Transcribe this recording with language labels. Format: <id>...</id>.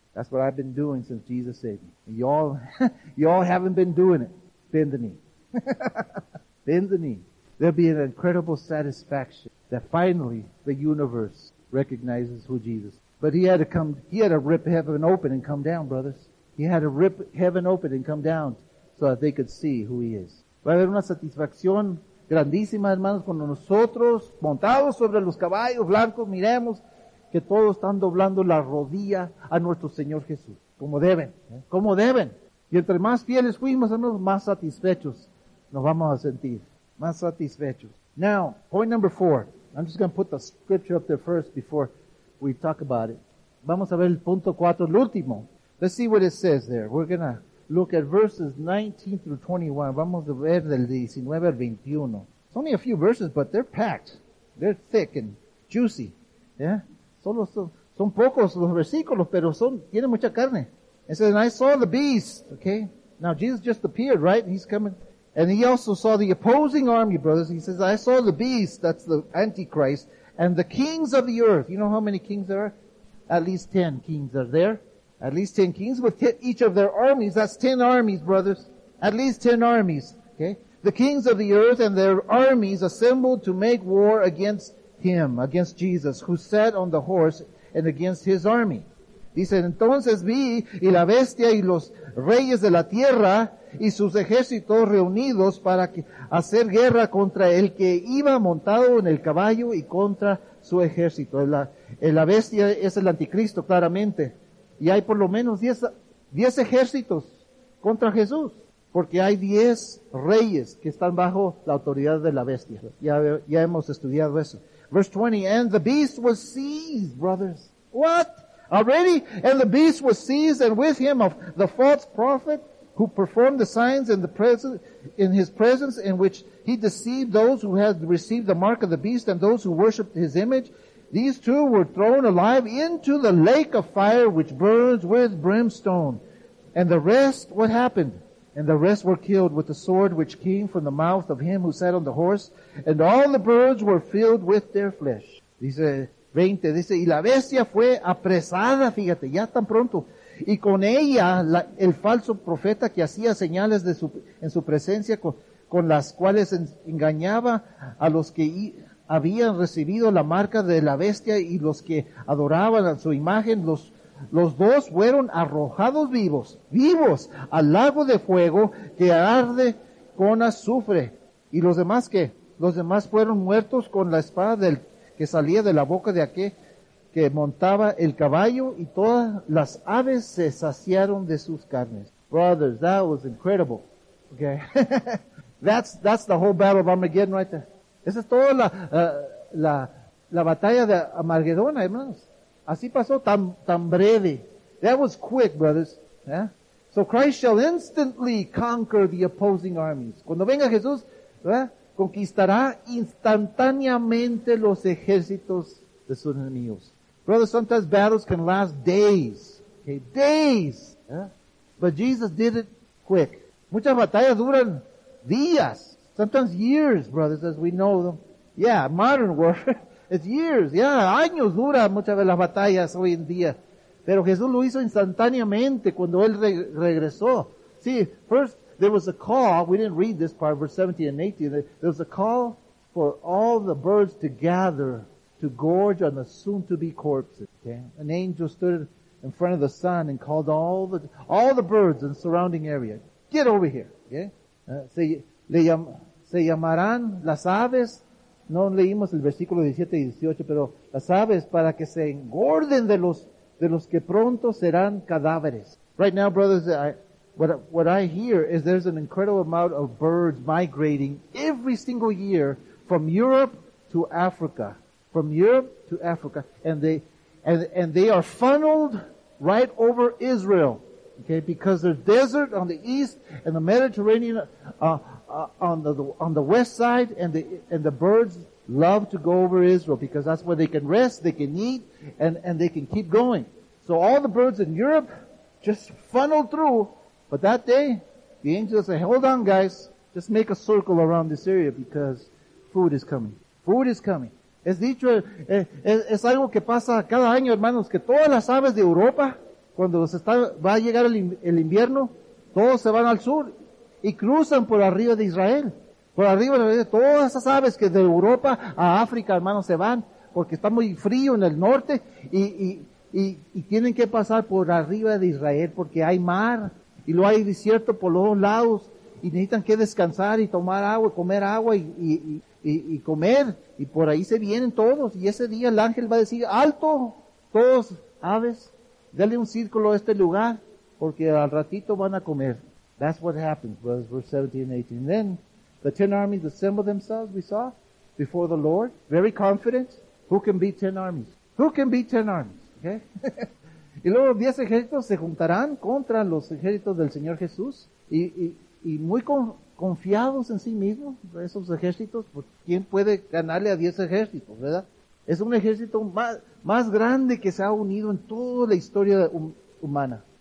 <en>That's what I've been doing since Jesus saved me. And y'all haven't been doing it. Bend the knee. Bend the knee. There'll be an incredible satisfaction that finally the universe recognizes who Jesus is. But he had to rip heaven open and come down, brothers. He had to rip heaven open and come down so that they could see who He is.</en> <es>Va a haber una satisfacción grandísima, hermanos, cuando nosotros, montados sobre los caballos blancos, miremos que todos están doblando la rodilla a nuestro Señor Jesús. Como deben, como deben. Y entre más fieles fuimos, hermanos, más satisfechos nos vamos a sentir. Más satisfechos.</es> <en>Now, point number four. I'm just going to put the scripture up there first before we talk about it.</en> <es>Vamos a ver el punto cuatro, el último.</es> <en>Let's see what it says there. We're going to look at verses 19 through 21.</en> <es>Vamos a ver del 19 al 21.</es> <en>It's only a few verses, but they're packed. They're thick and juicy. Yeah?</en> <es>Solo son pocos los versículos, pero tienen mucha carne.</es> <en>It says, and I saw the beast. Okay? Now, Jesus just appeared, right? He's coming. And he also saw the opposing army, brothers. He says, I saw the beast, that's the Antichrist, and the kings of the earth. You know how many kings there are? At least 10 kings are there. At least 10 kings with each of their armies. That's 10 armies, brothers. At least 10 armies. Okay? The kings of the earth and their armies assembled to make war against him, against Jesus, who sat on the horse, and against his army.</en> <es>Dice, entonces vi, y la bestia, y los reyes de la tierra, y sus ejércitos reunidos para hacer guerra contra el que iba montado en el caballo y contra su ejército. La bestia es el anticristo, claramente. Y hay por lo menos 10 ejércitos contra Jesús, porque hay 10 reyes que están bajo la autoridad de la bestia. Ya hemos estudiado eso.</es> <en>Verse 20, and the beast was seized, brothers. What? Already? And the beast was seized, and with him of the false prophet, who performed the signs in the presence, in his presence, in which he deceived those who had received the mark of the beast and those who worshipped his image. These two were thrown alive into the lake of fire, which burns with brimstone. And the rest, what happened? And the rest were killed with the sword which came from the mouth of him who sat on the horse, and all the birds were filled with their flesh.</en> <es>Dice 20, dice, y la bestia fue apresada, fíjate, ya tan pronto. Y con ella, el falso profeta que hacía señales de su, en su presencia, con las cuales engañaba a los que habían recibido la marca de la bestia y los que adoraban a su imagen, los dos fueron arrojados vivos, vivos, al lago de fuego que arde con azufre. ¿Y los demás qué? Los demás fueron muertos con la espada del que salía de la boca de aquel que montaba el caballo, y todas las aves se saciaron de sus carnes.</es> <en>Brothers, that was incredible. Okay. that's the whole battle of Armageddon right there.</en> <es>Esa es toda la batalla de Armagedón, hermanos. Así pasó, tan breve.</es> <en>That was quick, brothers. Yeah? So Christ shall instantly conquer the opposing armies.</en> <es>Cuando venga Jesús, ¿verdad? Conquistará instantáneamente los ejércitos de sus enemigos.</es> <en>Brothers, sometimes battles can last days. Okay? Days. Yeah? But Jesus did it quick.</en> <es>Muchas batallas duran días.</es> <en>Sometimes years, brothers, as we know them. Yeah, modern war. It's years.</en> <es>Yeah, años dura muchas de las batallas hoy en día. Pero Jesús lo hizo instantáneamente cuando Él regresó.</es> <en>See, first, there was a call. We didn't read this part, verse 17 and 18. There was a call for all the birds to gather to gorge on the soon-to-be corpses. Okay? An angel stood in front of the sun and called all the birds in the surrounding area. Get over here. Okay?</en> <es>Se llamarán las aves, no leímos el versículo 17 y 18, pero las aves para que se engorden de los que pronto serán cadáveres.</es> <en>Right now, brothers, what I hear is there's an incredible amount of birds migrating every single year from Europe to Africa. From Europe to Africa. And they are funneled right over Israel. Okay, because there's desert on the east and the Mediterranean on the west side, and the birds love to go over Israel because that's where they can rest, they can eat, and they can keep going. So all the birds in Europe just funnel through. But that day, the angels say, hold on guys, just make a circle around this area because food is coming. Food is coming.</en> <es>Es dicho, es algo que pasa cada año, hermanos, que todas las aves de Europa, cuando va a llegar el invierno, todos se van al sur y cruzan por arriba de Israel. Por arriba de Israel, todas esas aves que de Europa a África, hermanos, se van porque está muy frío en el norte y tienen que pasar por arriba de Israel porque hay mar y luego hay desierto por los lados y necesitan que descansar y tomar agua, comer agua y comer. Y por ahí se vienen todos y ese día el ángel va a decir, alto, todos aves, dale un círculo a este lugar, porque al ratito van a comer.</es> <en>That's what happens, brothers, verse 17 and 18. And then the 10 armies assemble themselves, we saw, before the Lord, very confident. Who can beat 10 armies? Who can beat 10 armies? Okay?</en> <es>Y luego 10 ejércitos se juntarán contra los ejércitos del Señor Jesús, y muy confiados en sí mismos, esos ejércitos, pues, ¿quién puede ganarle a 10 ejércitos, verdad? Es un ejército más grande que se ha unido en toda la historia humana.</es>